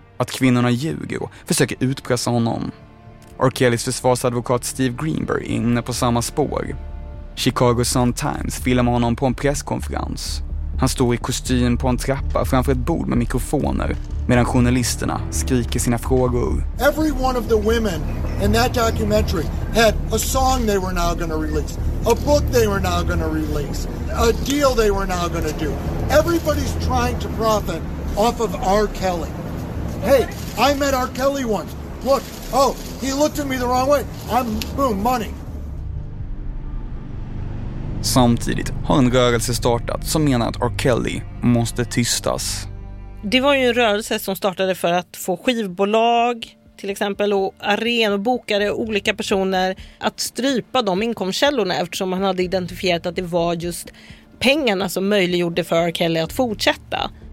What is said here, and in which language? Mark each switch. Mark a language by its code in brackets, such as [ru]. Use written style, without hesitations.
[sv] Att kvinnorna ljuger och försöker utpressa honom. R. Kellys försvarsadvokat Steve Greenberg är inne på samma spår. Chicago Sun-Times filmar honom på en presskonferens. Han står i kostym på en trappa framför ett bord med mikrofoner medan journalisterna skriker sina frågor. [en] Every one of the women in that documentary had a song they were now going to release, a book they were now going to release, a deal they were now going to do. Everybody's trying to profit off of R. Kelly. Hey, I met R. Kelly once. Look, oh, he looked at me the wrong way. I'm boom, money. [sv] Samtidigt har en rörelse startat som menar att R. Kelly måste tystas. Det var ju en rörelse som startade för att få skivbolag till exempel och arenobokare och olika personer att strypa de inkomstkällorna, eftersom han hade identifierat att det var just pengarna som möjliggjorde för R. Kelly att fortsätta.